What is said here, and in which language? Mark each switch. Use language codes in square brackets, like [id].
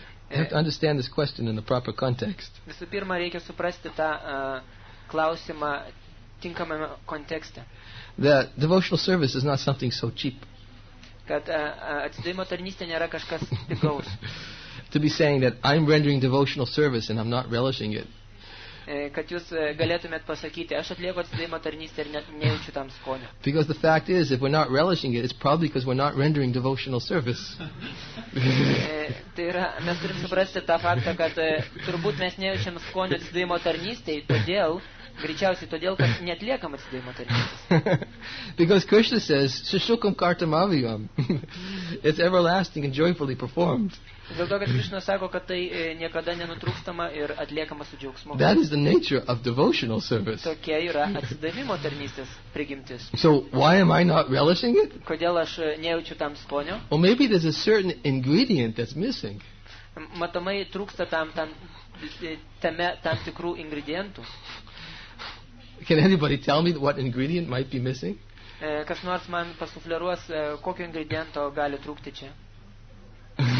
[en] You have to understand this question in a proper context. [lt] Visų pirma, reikia suprasti tą klausimą tinkamame kontekste. [en] That devotional service is not something so cheap. [lt] Kad atsidavimo tarnystė nėra kažkas pigaus. [en] To be saying that I'm rendering devotional service and I'm not relishing it. [lt] Kad jūs galėtumėt pasakyti, aš atlieku atsidavimo tarnystę ir nejaučiu tam skonio. [en] Because the fact is, if we're not relishing it, it's probably because we're not rendering devotional service. [lt] Tai yra, mes turim suprasti tą faktą, kad turbūt mes nejaučiam skonio atsidavimo tarnystei, todėl greičiausiai todėl, kad neatliekam atsidavimo tarnystės. [en] Because Krishna says, "Sushukam kartam avyam." It's everlasting and joyfully performed. [lt] Dėl to, kad Krishna sako, kad tai niekada nenutrūkstama ir atliekama su džiaugsmu. [en] That is the nature of devotional service. [lt] Tokia yra atsidavimo tarnystės prigimtis. [en] So why am I not relishing it? [lt] Kodėl aš nejaučiu tam skonio? [en] Well, maybe there's a certain ingredient that's missing. [lt] Matomai trūksta tam tikrų ingredientų. [en] Can anybody tell me what ingredient might be missing? [lt] Kas nors man pasufliaruos, kokio ingrediento gali trūkti čia?